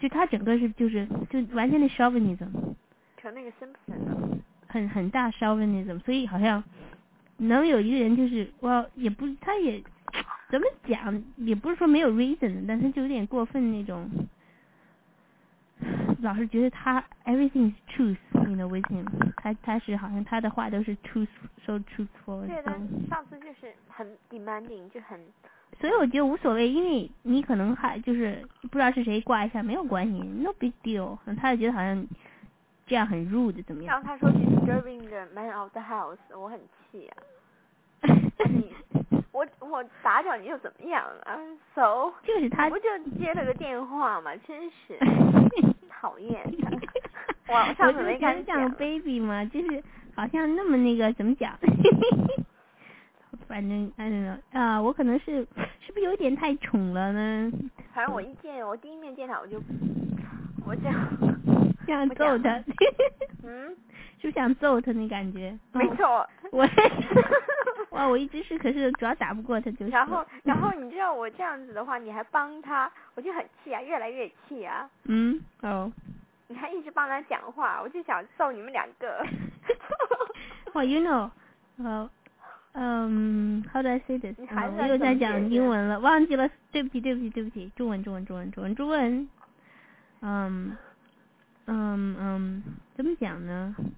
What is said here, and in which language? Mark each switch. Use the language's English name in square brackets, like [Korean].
[Chinese] 就他整个是就完全的 chauvinism，成那个 Simpson 了，很大 chauvinism， 所以好像能有一个人就是我也不他也怎么讲也不是说没有 reason， 但是就有点过分那种。老是觉得他 [English] everything is truth， you know with him， [Chinese] 他是好像他的话都是 truth， [English] so truthful。 [Chinese] 对的，上次就是很 demanding， 就很。所以我觉得无所谓，因为你可能还就是不知道是谁挂一下没有关系 ， [English] no big deal。 [Chinese] 他就觉得好像这样很 rude 怎么样？然后他说 [English] disturbing the man of the house， [Chinese] 我很气啊。我打扰你又怎么样啊 ？So 就是他不就接了个电话嘛，真是讨厌他。我上次没敢讲 baby 嘛，就是好像那么那个怎么讲？反正 [English] I don't know [Chinese] 啊，我可能是不是有点太宠了呢？反正我一见我第一面见他我想揍他，嗯，就想揍他那感觉。没错，我哇，我一直是，可是主要打不过他就是。然后你知道我这样子的话，你还帮他，我就很气啊，越来越气啊。嗯，哦。你还一直帮他讲话，我就想揍你们两个。 [English] Well, you know, how do I say this？ [Chinese] 我又在讲英文了，忘记了，对不起，中文，怎么讲呢？